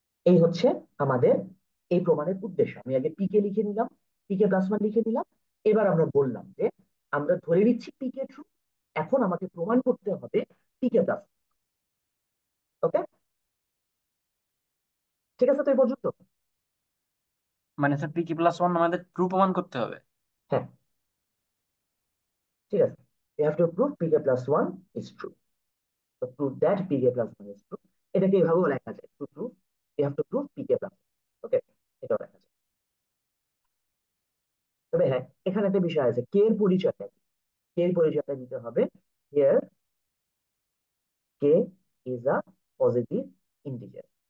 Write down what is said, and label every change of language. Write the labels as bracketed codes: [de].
[bn] এই হচ্ছে আমাদের এই প্রমাণের উদ্দেশ্য। আমি আগে পিকে লিখে নিলাম, পিকে প্লাস ওয়ান লিখে নিলাম, এবার আমরা বললাম যে আমরা ধরে নিচ্ছি পিকে ট্রু, এখন আমাকে প্রমাণ করতে হবে পিকে প্লাস। ওকে, ঠিক আছে তো এই পর্যন্ত? মানে sir P k plus one আমাদের ট্রু প্রমাণ করতে হবে। হ্যাঁ, ঠিক আছে। [en] We have to prove PK plus 1 is true. So prove that PK plus 1 is true. [bn] এটাকে এইভাবেও লেখা যায়। [en] To prove, we have to prove PK plus 1. [bn] Okay, এটাও লেখা যায়। তবে হ্যাঁ, এখানে একটা বিষয় আছে, কে এর পরিচয়টা, কে এর পরিচয়টা দিতে হবে। [en] Here, k is a positive integer.